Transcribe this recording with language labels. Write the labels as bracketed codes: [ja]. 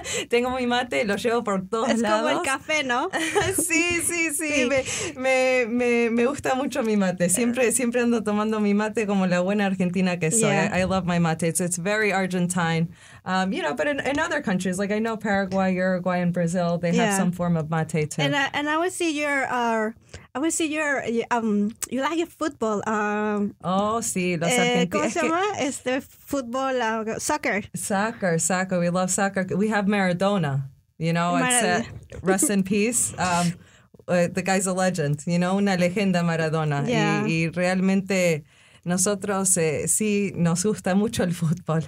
[es] Tengo mi mate, lo llevo por todos lados. Es como el café, ¿no? sí. Me gusta mucho mi mate. Siempre ando tomando mi mate como la buena argentina que soy. [en] Yeah. I love my mate. It's very Argentine. But in other countries, like I know Paraguay, Uruguay, and Brazil, they have some form of mate too. And I would see you like football. [es] Los argentinos. ¿Cómo se llama? Soccer. [en] Soccer. We love soccer. We have Maradona, you know, rest in peace. The guy's a legend, you know, [es] una leyenda [en] Maradona. Yeah. [es] Y realmente nosotros sí nos gusta mucho el fútbol.